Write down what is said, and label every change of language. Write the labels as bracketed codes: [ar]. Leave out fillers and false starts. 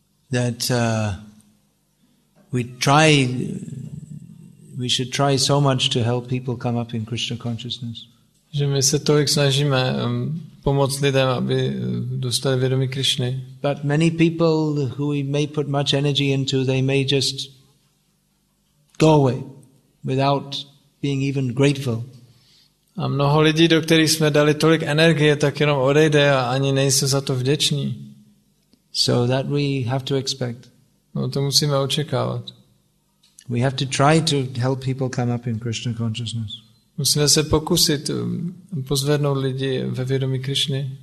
[en] That we should try so much to help people come up in Krishna consciousness. [cs] Že my se tolik snažíme pomoct lidem, aby dostali vědomí Krišny. [en] But many people who we may put much energy into, they may just go away without being even grateful. [cs] A mnoho lidí, do kterých jsme dali tolik energie, tak jenom odejde a ani nejsou za to vděční. [en] So that we have to expect. [cs] No, to musíme očekávat. [en] We have to try to help people come up in Krishna consciousness. [cs] Musíme se pokusit pozvednout lidi ve vědomí Krišny.